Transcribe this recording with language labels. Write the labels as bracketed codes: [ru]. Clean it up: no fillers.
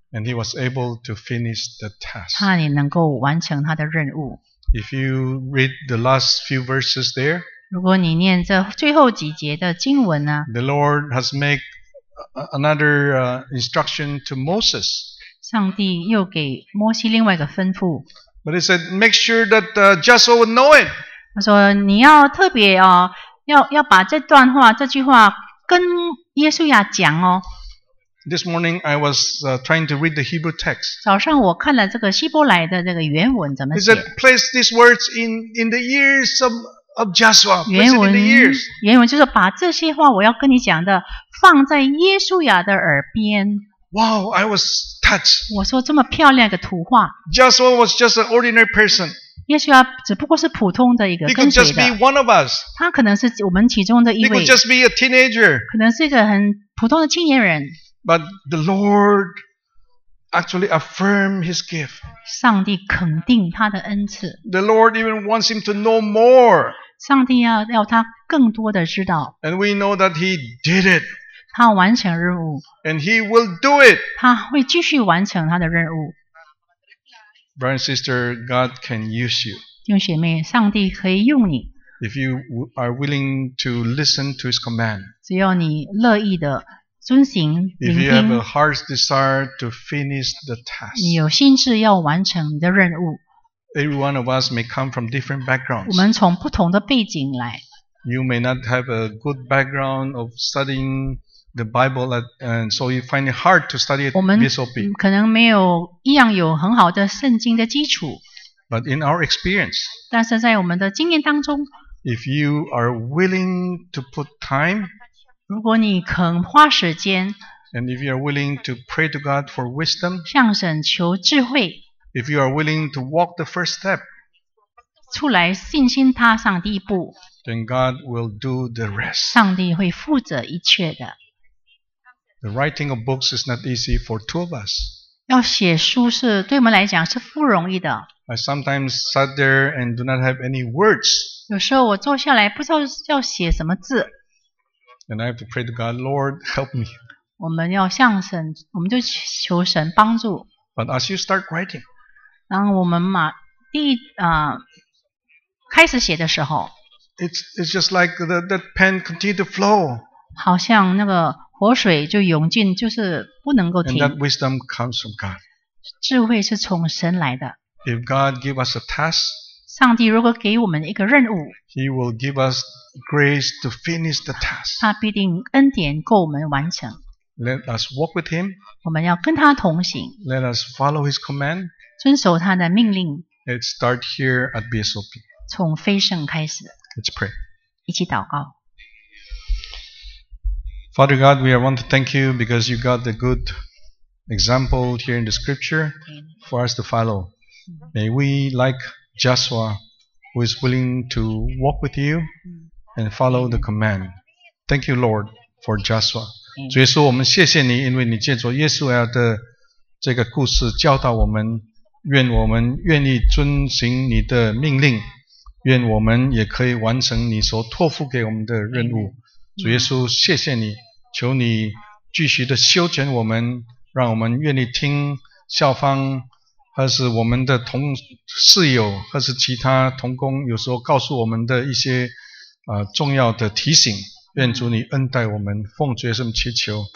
[en] And he was able to finish the task. [zh] 他也能够完成他的任务。 [en] If you read the last few verses there, [zh] 如果你念这最后几节的经文呢？ [en] The Lord has made another instruction to Moses. [zh] 上帝又给摩西另外一个吩咐。 [en] But he said, make sure that Joshua would know it. [zh] 他说你要特别啊。要把这段话这句话跟耶稣亚讲哦。 [en] This morning I was trying to read the Hebrew text. [zh] 早上我看了这个希伯来的这个原文怎么写。 [en] He said, place these words in the ears of Joshua. [zh] 原文就是把这些话我要跟你讲的放在耶稣亚的耳边。 [en] Wow, I was touched. [zh] 我说这么漂亮的图画。 [en] Joshua was just an ordinary person. [zh] 耶稣啊只不过是普通的一个跟随的。 [en] He could just be one of us. [zh] 他可能是我们其中的一位。 [en] He could just be a teenager. [zh] 可能是一个很普通的青年人。 [en] But the Lord actually affirmed his gift. [zh] 上帝肯定他的恩赐。 [en] The Lord even wants him to know more. [zh] 上帝要他更多的知道。 [en] And we know that he did it. [zh] 他完成任务 [en] and he will do it. [zh] 他会继续完成他的任务 [en] Brother and sister, God can use you. [zh] 弟兄姐妹，上帝可以用你 [en] If you are willing to listen to his command. [zh] 只要你乐意的遵行 [en] If you have a heart's desire to finish the task. [zh] 你有心志要完成你的任务 [en] Every one of us may come from different backgrounds. [zh] 我们从不同的背景来 [en] You may not have a good background of studying. The Bible, and so you find it hard to study it. [zh] 我们可能没有一样有很好的圣经的基础。 [en] But in our experience, [zh] 但是在我们的经验当中 [en] ，if you are willing to put time, [zh] 如果你肯花时间 [en] ，and if you are willing to pray to God for wisdom, [zh] 向神求智慧 [en] ，if you are willing to walk the first step, [zh] 出来信心踏上第一步 [en] ，then God will do the rest. [zh] 上帝会负责一切的。 [en] The writing of books is not easy for two of us. [zh] 要写书是对我们来讲是不容易的。 [en] I sometimes sat there and do not have any words. [zh] 有时候我坐下来不知道要写什么字。 [en] And I have to pray to God, Lord, help me. [zh] 我们要向神，我们就求神帮助。 [en] But as you start writing, [zh] 当我们嘛第一开始写的时候 [en] ，It's just like that pen continue to flow. [zh] 好像那个。活水就涌进，就是不能够停。 [en] And that wisdom comes from God. [zh] 智慧是从神来的。 [en] If God give us a task, [zh] 上帝如果给我们一个任务， [en] He will give us grace to finish the task. [zh] 他必定恩典够我们完成。 [en] Let us walk with Him. [zh] 我们要跟他同行。 [en] Let us follow His command. [zh] 遵守他的命令。 [en] Let's start here at BSOP. [zh] 从飞升开始。 [en] Let's pray. [zh] 一起祷告。 [en] Father God, we want to thank you because you got the good example here in the scripture for us to follow. May we, like Joshua, who is willing to walk with you and follow the command. Thank you, Lord, for Joshua. [zh] 主耶稣，我们谢谢你，因为你借着耶稣的这个故事教导我们，愿我们愿意遵行你的命令，愿我们也可以完成你所托付给我们的任务。主耶稣，谢谢你。求你继续的修剪我们，让我们愿意听校方或是我们的同室友或是其他同工有时候告诉我们的一些重要的提醒，愿主你恩待我们，奉主耶稣祈求，